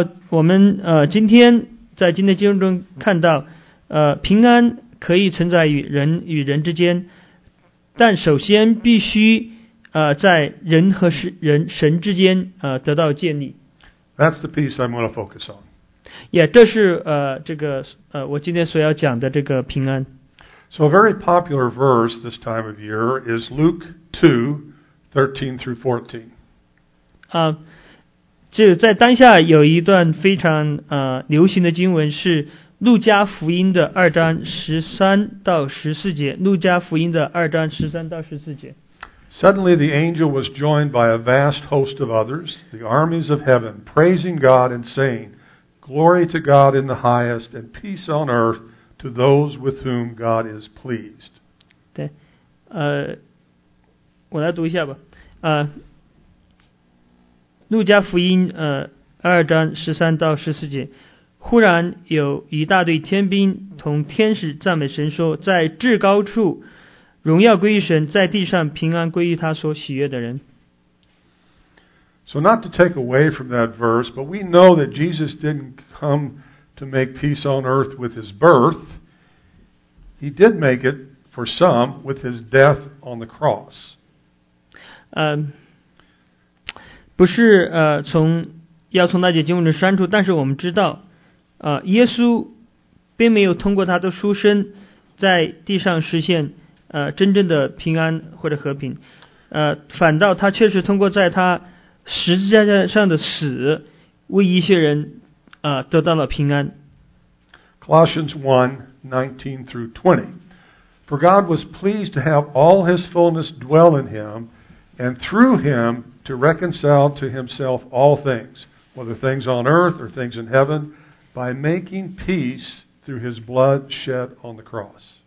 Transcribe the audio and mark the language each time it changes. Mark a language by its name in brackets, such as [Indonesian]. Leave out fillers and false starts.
[Chinese] 我们今天在今天的经文中看到，平安可以存在于人与人之间，但首先必须在人和神之间得到建立。 [English] That's the peace I'm going to focus on. [Chinese] Yeah, 这是我今天所要讲的这个平安。 [English] So a very popular verse this time of year is Luke 2:13-14. [Chinese] 就在当下有一段非常流行的经文是路加福音的2:13-14。路加福音的2:13-14。 [English] Suddenly the angel was joined by a vast host of others, the armies of heaven, praising God and saying, Glory to God in the highest and peace on earth to those with whom God is pleased. [Chinese] 对，我来读一下吧。路加福音2:13-14，忽然有一大队天兵同天使赞美神说，在至高处荣耀归于神，在地上平安归于他所喜悦的人。 [English] So not to take away from that verse, but we know that Jesus didn't come to make peace on earth with his birth. He did make it for some with his death on the cross. [Chinese] 不是从那节经文中删除，但是我们知道，耶稣并没有通过他的出生在地上实现真正的平安或者和平，反倒他确实通过在他十字架上的死，为一些人得到了平安。 [English] Colossians 1:19-20, for God was pleased to have all His fullness dwell in Him, and through Him to reconcile to Himself all things, whether things on earth or things in heaven, by making peace through His blood shed on the cross.